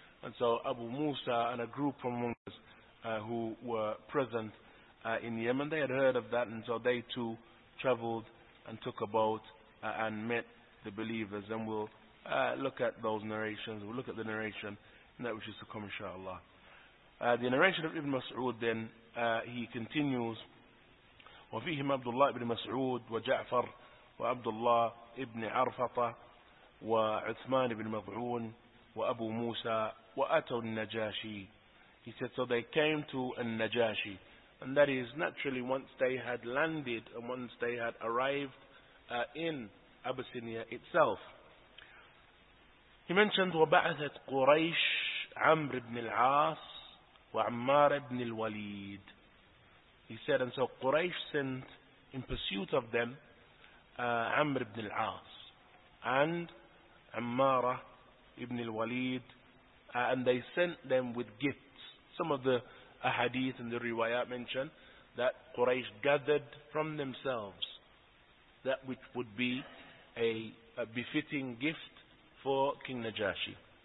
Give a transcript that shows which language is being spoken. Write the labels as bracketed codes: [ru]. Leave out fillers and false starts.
[en] And so Abu Musa and a group from among us who were present in Yemen, they had heard of that, and so they too traveled and took a boat and met the believers. And we'll look at those narrations, we'll look at the narration and that which is to come, inshallah. The narration of Ibn Mas'ud then, he continues, [ar] وَفِيهِمْ عَبْدُ اللَّهِ بْنِ مَسْعُودِ وَجَعْفَرْ وَعَبْدُ اللَّهِ ابْنِ عَرْفَطَ وَعُثْمَانِ بْنِ مَضْعُونَ وَأَبُو مُوسَى وَأَتَوْا النَّجَاشِي. [en] He said, so they came to النَّجَاشِي. And that is, naturally, once they had landed and once they had arrived in Abyssinia itself. He mentioned, [ar] وَبَعَثَتْ قُرَيْشْ عَمْرِ بْنِ الْعَاسِ وَعَمَّارِ بْنِ الْوَلِيدِ. [en] He said, and so Quraysh sent in pursuit of them Amr ibn al-As and Ammara ibn al-Walid, and they sent them with gifts. Some of the ahadith and the riwayat mention that Quraysh gathered from themselves that which would be a befitting gift for King Najashi.